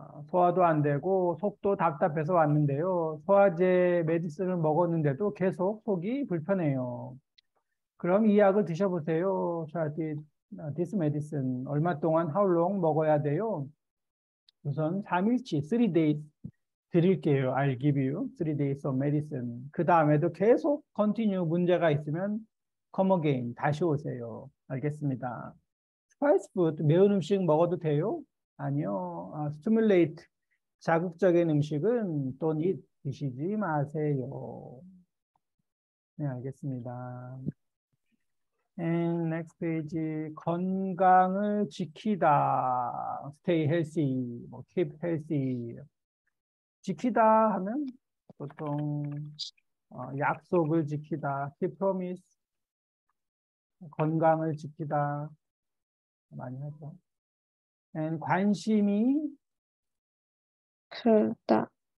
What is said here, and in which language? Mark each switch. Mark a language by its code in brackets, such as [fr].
[ko] 소화도 안 되고 속도 답답해서 왔는데요. 소화제 메디슨을 먹었는데도 계속 속이 불편해요. 그럼 이 약을 드셔보세요. 디스 메디슨 얼마 동안 [en] how long [ko] 먹어야 돼요? 우선 3일치 [en] 3 days [ko] 드릴게요. [en] I'll give you 3 days of medicine. [ko] 그 다음에도 계속 continue 문제가 있으면 [en] come again [ko] 다시 오세요. 알겠습니다. [en] Spice food [ko] 매운 음식 먹어도 돼요? 아니요. 스티뮬레이트 자극적인 음식은 [en] don't eat, [ko] 드시지 마세요. 네, 알겠습니다. [en] And next page, [ko] 건강을 지키다. [en] Stay healthy, 뭐 keep healthy. [ko] 지키다 하면 보통 약속을 지키다, [en] keep promise. [ko] 건강을 지키다 많이 하죠. And 관심이 클다.